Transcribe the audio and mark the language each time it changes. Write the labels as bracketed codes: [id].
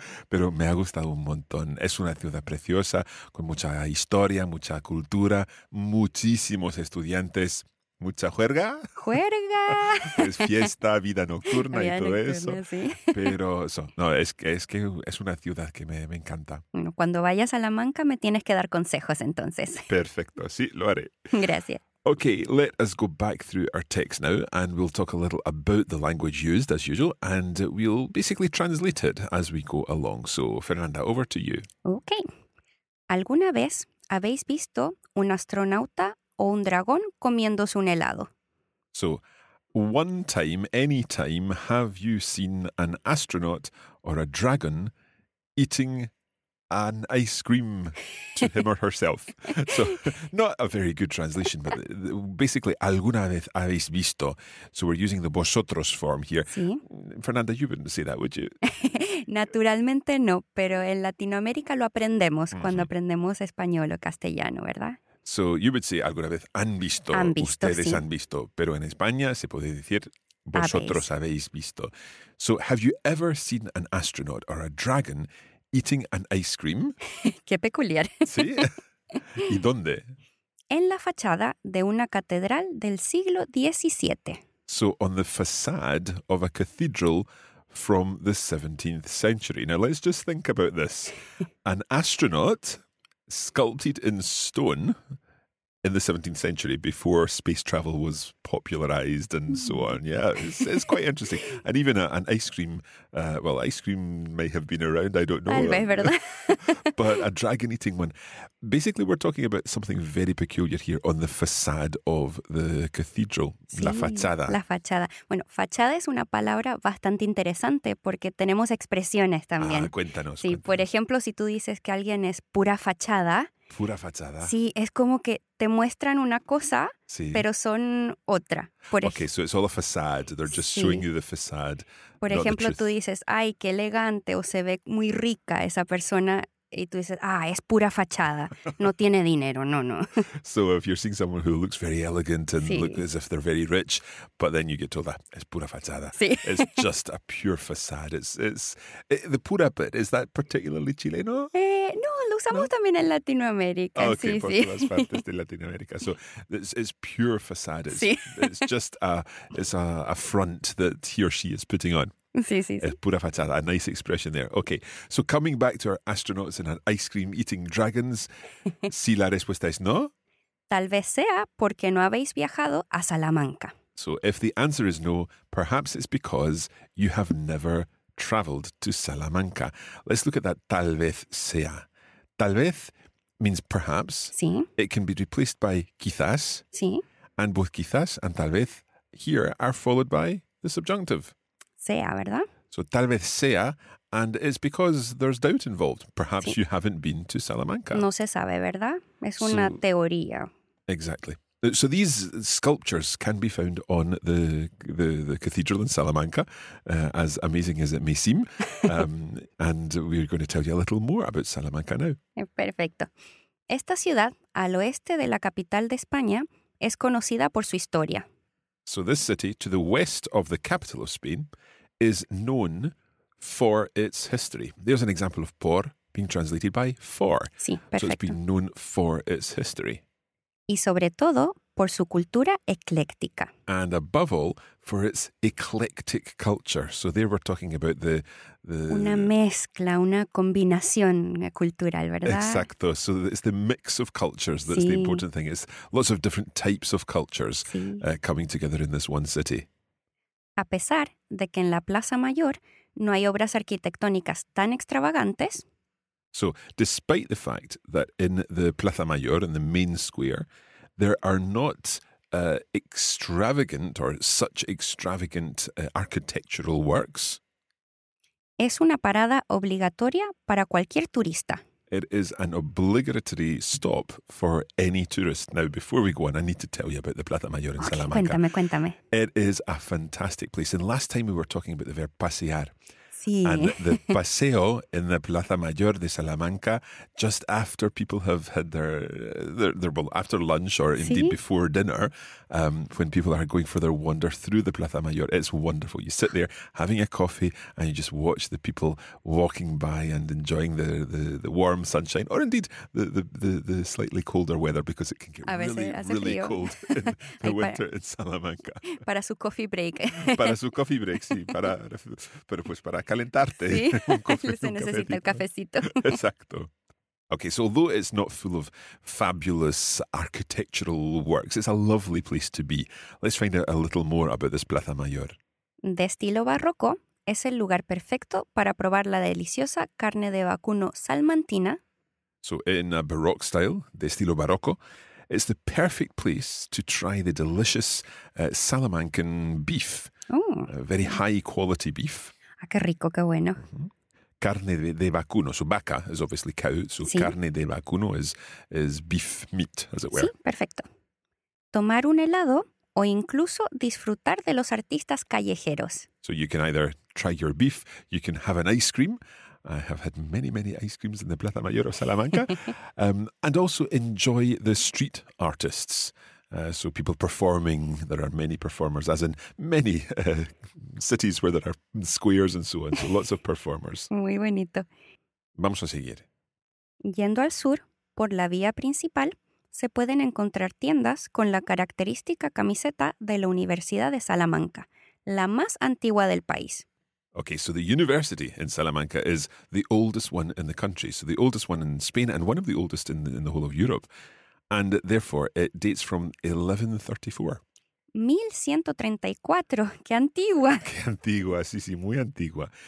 [es] Pero me ha gustado un montón. Es una ciudad preciosa, con mucha historia, mucha cultura, muchísimos estudiantes. Mucha juerga. ¡Juerga! Es fiesta, vida nocturna vida y todo nocturna, eso. Sí. Pero eso, no, es que es una ciudad que me encanta. Bueno, cuando vayas a Salamanca me tienes que dar consejos entonces. Perfecto, sí, lo haré. Gracias. [en] Okay, let us go back through our text now and we'll talk a little about the language used as usual and we'll basically translate it as we go along. So, Fernanda, over to you. Okay. [es] ¿Alguna vez habéis visto un astronauta o un dragón comiéndose un helado? [en] So, one time, any time, have you seen an astronaut or a dragon eating an ice cream to him or herself? So, not a very good translation, but basically, [es] ¿alguna vez habéis visto? [en] So, we're using the vosotros form here. [es] ¿Sí? [en] Fernanda, you wouldn't say that, would you? [es] Naturalmente no, pero en Latinoamérica lo aprendemos mm-hmm. cuando aprendemos español o castellano, ¿verdad? [en] So you would say, [es] ¿alguna vez han visto, han visto? Pero en España se puede decir, vosotros habéis visto. [en] So have you ever seen an astronaut or a dragon eating an ice cream? [es] ¡Qué peculiar! ¿Sí? ¿Y dónde? En la fachada de una catedral del siglo XVII. [en] So on the facade of a cathedral from the 17th century. Now let's just think about this. An astronaut sculpted in stone in the 17th century before space travel was popularized and so on. Yeah, it's quite interesting. And even an ice cream, ice cream may have been around, I don't know. But a dragon eating one. Basically, we're talking about something very peculiar here on the facade of the cathedral. [es] Sí, la fachada. La fachada. Bueno, fachada es una palabra bastante interesante porque tenemos expresiones también. Ah, cuéntanos. Sí, cuéntanos. Por ejemplo, si tú dices que alguien es pura fachada. Pura fachada. Sí, es como que te muestran una cosa, sí. pero son otra. [en] So it's all a facade. They're just [es] sí. [en] showing you the facade. [es] Por ejemplo, tú dices, ay, qué elegante, o se ve muy rica esa persona. Y tú dices, ah, es pura fachada. No tiene dinero, no. [en] So if you're seeing someone who looks very elegant and [es] sí. [en] look as if they're very rich, but then you get told that [es] es pura fachada. Sí. [en] It's just a pure facade. It's the pura bit, is that particularly Chileno? [es] No, lo usamos no? también en Latinoamérica. [en] Okay, [es] sí, por sí. todas partes de Latinoamérica. [en] So it's pure facade. It's, [es] sí. [en] it's just a front that he or she is putting on. [es] Sí, sí, sí. [en] Pura fachada, a nice expression there. Okay, so coming back to our astronauts and our ice cream eating dragons, [es] si la respuesta es no. Tal vez sea porque no habéis viajado a Salamanca. [en] So if the answer is no, perhaps it's because you have never traveled to Salamanca. Let's look at that [es] tal vez sea. [en] Tal vez means perhaps. [es] Sí. [en] It can be replaced by quizás. [es] Sí. [en] And both quizás and tal vez here are followed by the subjunctive. [es] Sea, ¿verdad? [en] So, [es] tal vez sea, [en] and it's because there's doubt involved. Perhaps [es] sí. [en] you haven't been to Salamanca. [es] No se sabe, ¿verdad? Es una teoría. [en] Exactly. So, these sculptures can be found on the cathedral in Salamanca, as amazing as it may seem. and we're going to tell you a little more about Salamanca now. [es] Perfecto. Esta ciudad, al oeste de la capital de España, es conocida por su historia. [en] So this city, to the west of the capital of Spain, is known for its history. There's an example of por being translated by for. [es] Sí, perfecto. [en] So it's been known for its history. [es] y sobre todo por su cultura ecléctica. [en] And above all, for its eclectic culture. So there we're talking about the [es] una mezcla, una combinación cultural, ¿verdad? Exacto. [en] So it's the mix of cultures that's [es] sí. [en] The important thing. It's lots of different types of cultures coming together in this one city. [es] A pesar de que en la Plaza Mayor no hay obras arquitectónicas tan extravagantes. [en] So, despite the fact that in the Plaza Mayor, in the main square, there are not extravagant or such extravagant architectural works. [es] Es una parada obligatoria para cualquier turista. [en] It is an obligatory stop for any tourist. Now, before we go on, I need to tell you about the Plaza Mayor in Salamanca. [es] Cuéntame. [en] It is a fantastic place. And last time we were talking about the verb pasear. [es] Sí. [en] And the paseo in the Plaza Mayor de Salamanca, just after people have had after lunch or indeed [es] sí. [en] Before dinner, when people are going for their wander through the Plaza Mayor, it's wonderful. You sit there having a coffee and you just watch the people walking by and enjoying the warm sunshine or indeed the slightly colder weather because it can get really cold in the winter in Salamanca. [es] Para su [en] coffee break. [es] Para su [en] coffee break, [es] sí. Para calentarte. Sí, se necesita el cafecito. Exacto. [en] Okay, so although it's not full of fabulous architectural works, it's a lovely place to be. Let's find out a little more about this Plaza Mayor. [es] De estilo barroco, es el lugar perfecto para probar la deliciosa carne de vacuno salmantina. [en] So in a Baroque style, [es] de estilo barroco, [en] it's the perfect place to try the delicious Salamancan beef. Very high quality beef. [es] Ah, qué rico, qué bueno. Mm-hmm. Carne de vacuno. [en] So vaca is obviously cow. So [es] sí. [en] Carne de vacuno is beef meat, as it were. [es] Sí, perfecto. Tomar un helado o incluso disfrutar de los artistas callejeros. [en] So you can either try your beef, you can have an ice cream. I have had many, many ice creams in the Plaza Mayor of Salamanca. and also enjoy the street artists. So people performing, there are many performers, as in many cities where there are squares and so on. So lots of performers. [es] Muy bonito. Vamos a seguir. Yendo al sur, por la vía principal, se pueden encontrar tiendas con la característica camiseta de la Universidad de Salamanca, la más antigua del país. [en] Okay, so the university in Salamanca is the oldest one in the country. So the oldest one in Spain and one of the oldest in the whole of Europe. And therefore, it dates from 1134. [es] 1134. ¡Qué antigua! ¡Qué antigua! Sí, sí, muy antigua.